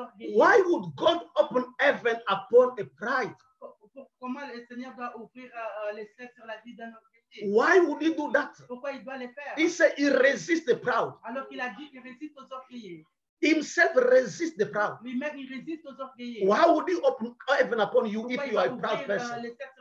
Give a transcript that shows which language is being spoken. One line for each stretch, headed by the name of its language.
English: Why would God open heaven upon a pride?
French: Comment le Seigneur doit ouvrir les cieux sur la vie d'un autre?
English: Why would he do that?
French: Pourquoi il doit le faire?
English: He said he resists the proud.
French: Alors qu'il a dit qu'il résiste aux orgueilleux.
English: Himself resists the proud.
French: Lui-même, il résiste aux orgueilleux.
English: Why would he open heaven upon you if you are a proud person?